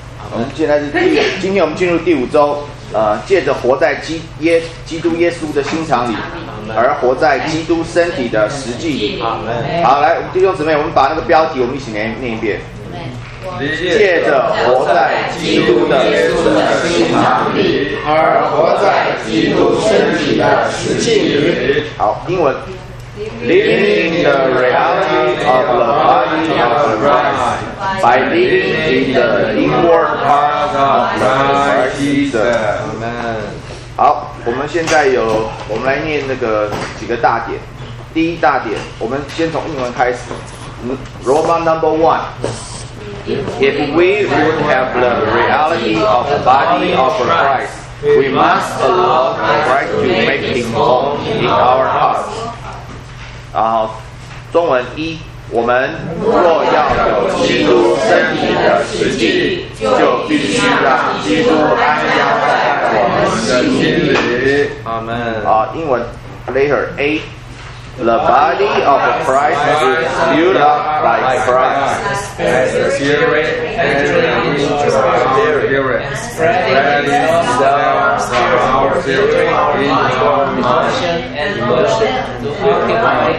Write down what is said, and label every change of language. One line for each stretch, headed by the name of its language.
Chinese: 我们现在是今天我们进入第五周，借着活在基督耶稣的心肠里，而活在基督身体的实际里。好，来，弟兄姊妹，我们把那个标题我们一起念一遍。借着活在基督的心肠里，而活在基督身体的实际里。好，英文。
English: Living in the reality of the body of Christ by living in the inward part of Christ Jesus. Amen.
Chinese: 好，我们现在有，我们来念那个几个大点。第一大点，我们先从英文开始。
English: Roma number one. If we would have the reality of the body of Christ, we must allow Christ to make him home in our hearts.
Chinese: 然后中文一，我们若要有基督身体的实际，就必须让基督安家在我们的心里。阿门。英文
English: letter A， the body of Christ is built up by Christ as the spirit entering into our spirit, spreading itself from our spirit into our emotion.